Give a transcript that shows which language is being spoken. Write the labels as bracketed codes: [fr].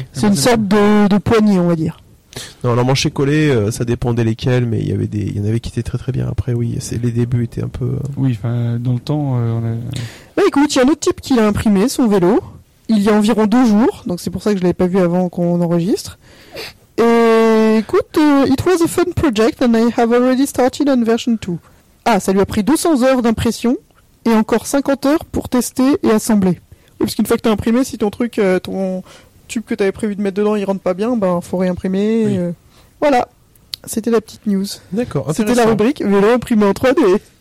[fr] C'est une sorte de poignée, on va dire. Non, l'emmanché collé, ça dépendait lesquels, mais il y en avait qui étaient très très bien. Après, oui, les débuts étaient un peu. Oui, enfin, dans le temps. Bah écoute, il y a un autre type qui l'a imprimé, son vélo. Il y a environ 2 jours, donc c'est pour ça que je ne l'avais pas vu avant qu'on enregistre. Et écoute, [en] it was a fun project and I have already started on version 2. [fr] Ah, ça lui a pris 200 heures d'impression et encore 50 heures pour tester et assembler. Oui, parce qu'une fois que tu as imprimé, si ton truc, ton tube que tu avais prévu de mettre dedans, il ne rentre pas bien, ben faut réimprimer. Oui. Voilà, c'était la petite news. D'accord, intéressant. C'était la rubrique vélo imprimé en 3D.